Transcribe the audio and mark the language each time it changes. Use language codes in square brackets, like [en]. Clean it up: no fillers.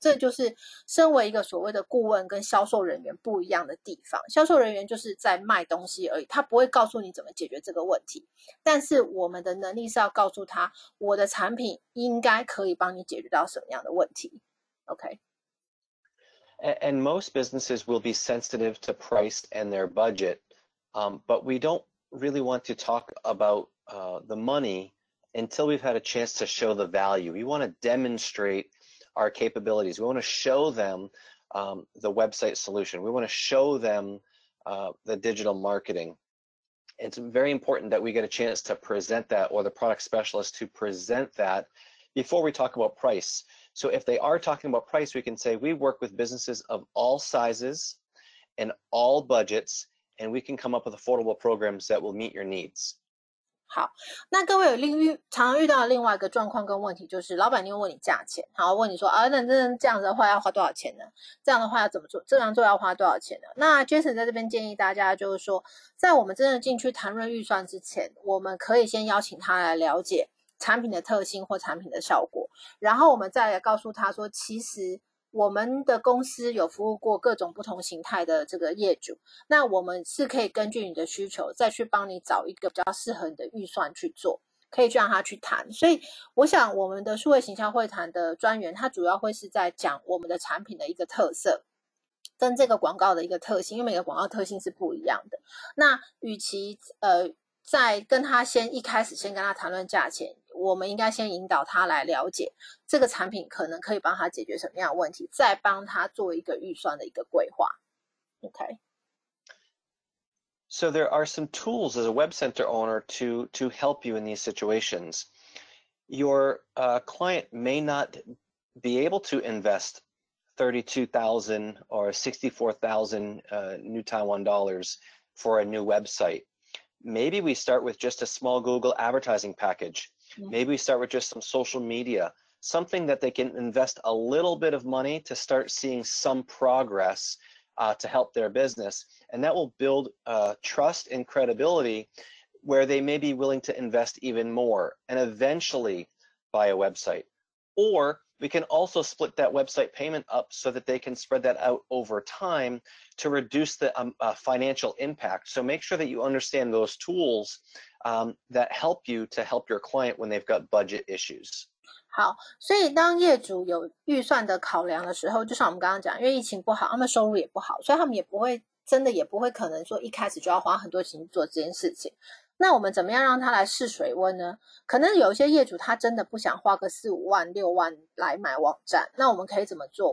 [zh] 这就是身为一个所谓的顾问跟销售人员不一样的地方。销售人员就是在卖东西而已，他不会告诉你怎么解决这个问题，但是我们的能力是要告诉他，我的产品应该可以帮你解决到什么样的问题。 [en] OK。 And most businesses will be sensitive to price and their budget, but we don't really want to talk about the money until we've had a chance to show the value. We want to demonstrate our capabilities. We want to show them the website solution. We want to show them the digital marketing. It's very important that we get a chance to present that, or the product specialist to present that, before we talk about price. So if they are talking about price, we can say, we work with businesses of all sizes and all budgets, and we can come up with affordable programs that will meet your needs. [zh] 好，那各位有另遇常遇到的另外一个状况跟问题，就是老板又问你价钱，然后问你说啊，那这样子的话要花多少钱呢？这样的话要怎么做？这样做要花多少钱呢？那 Jason 在这边建议大家，就是说，在我们真的进去谈论预算之前，我们可以先邀请他来了解产品的特性或产品的效果，然后我们再来告诉他说，其实我们的公司有服务过各种不同形态的这个业主，那我们是可以根据你的需求再去帮你找一个比较适合你的预算去做，可以去让他去谈。所以我想我们的数位行销会谈的专员，他主要会是在讲我们的产品的一个特色跟这个广告的一个特性，因为每个广告特性是不一样的。那与其在跟他先一开始先跟他谈论价钱，我们应该先引导他来了解这个产品可能可以帮他解决什么样的问题，再帮他做一个预算的一个规划。 [en] OK, so there are some tools as a web center owner to help you in these situations. Your client may not be able to invest 32,000 or 64,000 new Taiwan dollars for a new website. Maybe we start with just a small Google advertising packageMaybe we start with just some social media, something that they can invest a little bit of money to start seeing some progress, to help their business. And that will build trust and credibility where they may be willing to invest even more and eventually buy a website. Or we can also split that website payment up so that they can spread that out over time to reduce the financial impact. So make sure that you understand those tools. That help you to help your client when they've got budget issues. [zh] 好，所以当业主有预算的考量的时候，就像我们刚刚讲，因为疫情不好，他们收入也不好，所以他们也不会真的也不会可能说一开始就要花很多钱做这件事情。那我们怎么样让他来试水温呢？可能有一些业主他真的不想花个四五万、六万来买网站，那我们可以怎么做？